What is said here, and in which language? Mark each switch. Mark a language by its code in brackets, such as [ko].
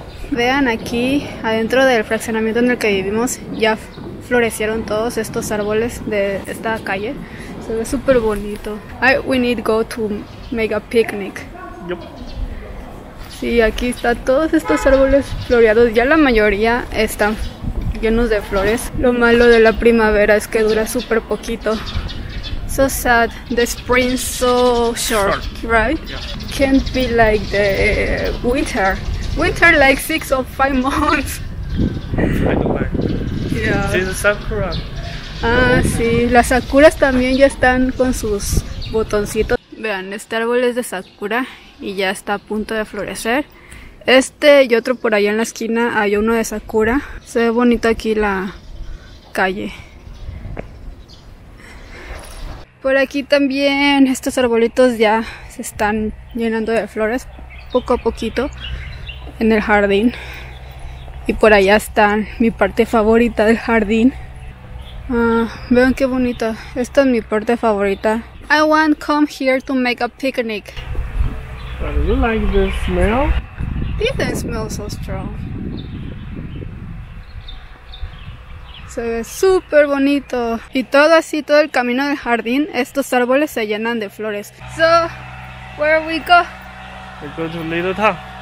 [es] vean, aquí adentro del fraccionamiento en el que vivimos ya florecieron todos estos árboles de esta calle. Se ve súper bonito. [en] We need go to make a picnic. Yep. [es] Sí, aquí están todos estos árboles floreados. Ya la mayoría están llenos de flores. Lo malo de la primavera es que dura súper poquito. [en] So sad, the spring so short, right? Yeah. Can't be like the winter. Winter like 6 or 5 months. I don't like. Yeah. It's a sakura. [es] Ah, sí, las sakuras también ya están con sus botoncitos. Vean, este árbol es de sakura y ya está a punto de florecer. Este y otro por allá en la esquina hay uno de sakura. Se ve bonito aquí la calle. Por aquí también estos arbolitos ya se están llenando de flores poco a poquito en el jardín. Y por allá están mi parte favorita del jardín. Vean qué bonita. Esta es mi parte favorita. [en] I want come here to make a picnic. Do you like the smell? It doesn't smell so strong. [es] Se ve súper bonito. Y todo así, todo el camino del jardín, estos árboles se llenan de flores. [en] So, where we go? We go to Little Town.